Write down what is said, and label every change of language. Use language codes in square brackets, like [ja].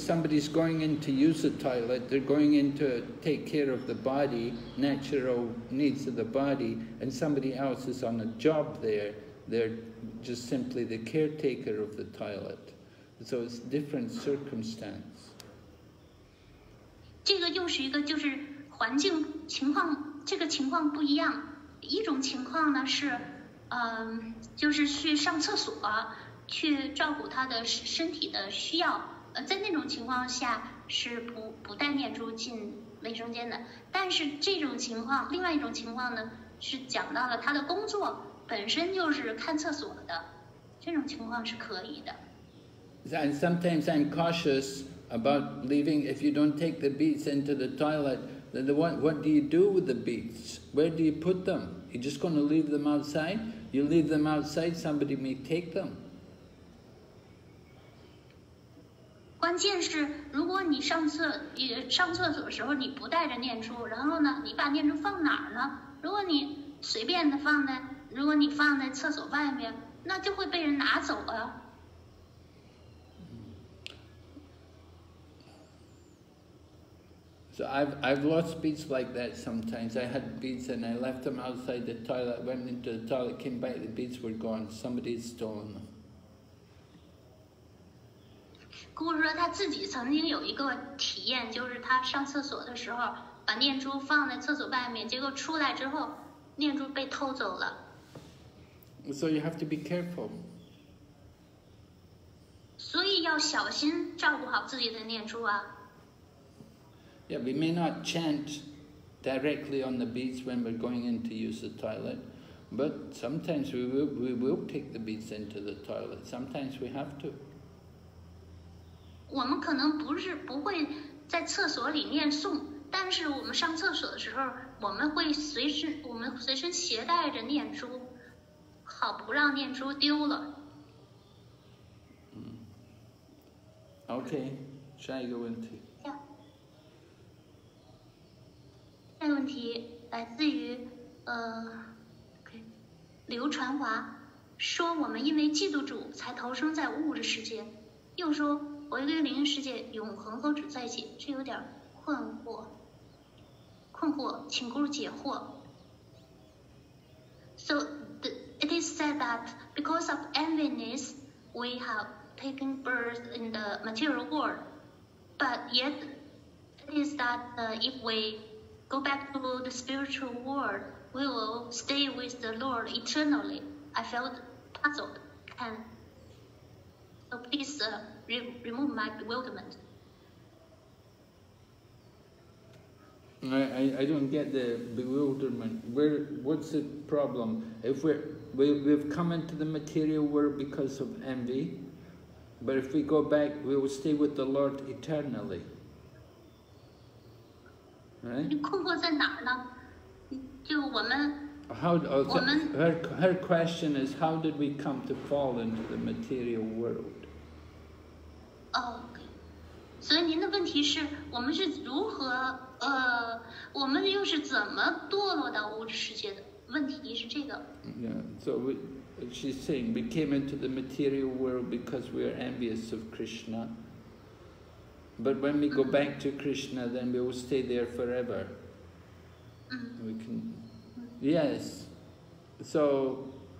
[en] Somebody's going in to use the toilet, they're going in to take care of the body, natural needs of the body, and somebody else is on a job there. They're just simply the caretaker of the toilet. So it's different circumstance. [zh] 这个又是一个就是环境情况，这个情况不一样。一种情况呢是，就是去上厕所，去照顾他的身体的需要。在那种情况下是不带念珠进卫生间的。但是这种情况，另外一种情况呢，是讲到了他的工作本身就是看厕所的，这种情况是可以的。 [en] And sometimes I'm cautious about leaving. If you don't take the beads into the toilet, then what do you do with the beads? Where do you put them? You're just going to leave them outside? You leave them outside, somebody may take them. [zh] 关键是如果你上厕所的时候你不带着念珠，然后呢，你把念珠放哪儿呢？如果你随便的放在，如果你放在厕所外面，那就会被人拿走了。 [en] So I've lost beads like that sometimes. I had beads and I left them outside the toilet, went into the toilet, came back, the beads were gone. Somebody had stolen them. [zh] Guru 说他自己曾经有一个体验，就是他上厕所的时候把念珠放在厕所外面，结果出来之后念珠被偷走了。 [en] So you have to be careful. [zh] 所以要小心照顾好自己的念珠啊。 [en] Yeah, we may not chant directly on the beads when we're going in to use the toilet, but sometimes we will take the beads into the toilet. Sometimes we have to. [zh] 我们可能不会在厕所里念诵，但是我们上厕所的时候，我们随身携带着念珠，好不让念珠丢了。 Okay, 下一个问题。这个问题来自于刘传华，说我们因为嫉妒主才投生在物质世界，又说回归灵世界永恒和主在一起，这有点困惑，请Guru解惑。 [en] So it is said that because of enviness we have taken birth in the material world, but yet it is that if weGo back to the spiritual world, we will stay with the Lord eternally. I felt puzzled. So please remove my bewilderment. I don't get the bewilderment. What's the problem? If we've come into the material world because of envy, but if we go back, we will stay with the Lord eternally. Right? [zh] 困惑在哪儿呢？就我们， [en] her question is, how did we come to fall into the material world? Okay. [zh] 所以您的问题是，我们是如何，我们又是怎么堕落到物质世界的？问题是这个。 [en] Yeah. So she's saying we came into the material world because we are envious of Krishna. But when we go back to Krishna, then we will stay there forever. We can, yes. So,